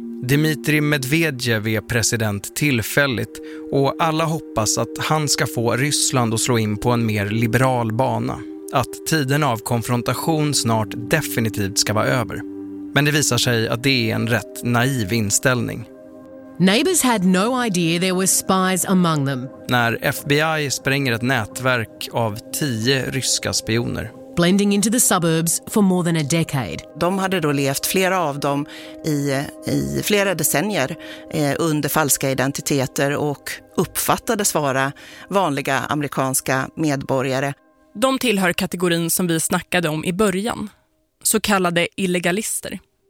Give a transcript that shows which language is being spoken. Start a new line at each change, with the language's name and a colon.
Swedish: Dmitry Medvedev är president tillfälligt och alla hoppas att han ska få Ryssland att slå in på en mer liberal bana. Att tiden av konfrontation snart definitivt ska vara över. Men det visar sig att det är en rätt naiv inställning.
English: Neighbors had no idea there were spies among them.
Swedish: När FBI spränger ett nätverk av 10 ryska spioner.
English: Blending into the suburbs for more than a decade.
Swedish: De hade då levt flera av dem i flera decennier under falska identiteter och uppfattades vara vanliga amerikanska medborgare. De tillhör kategorin som vi snackade om i början, så kallade illegalister.